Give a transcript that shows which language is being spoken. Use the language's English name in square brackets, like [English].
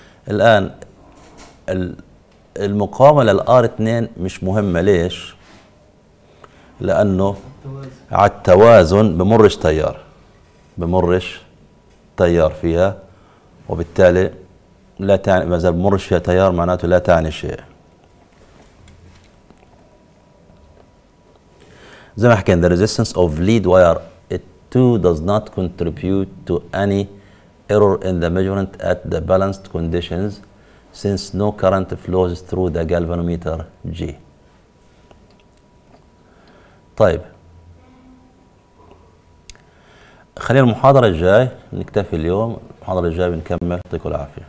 [Arabic] الآن المقاومة لل R2 مش مهمة, ليش؟ لأنه على التوازن بمرش تيار, بمرش تيار فيها, وبالتالي لا تعني, ما زال بمرش فيها تيار معناته لا تعني شيء. زي ما حكينا [English] the resistance of lead wire it too does not contribute to any error in the measurement at the balanced conditions since no current flows through the galvanometer G. [Arabic] طيب خلينا المحاضرة الجاي نكتفي اليوم, المحاضرة الجاي بنكمل. يعطيكم العافية.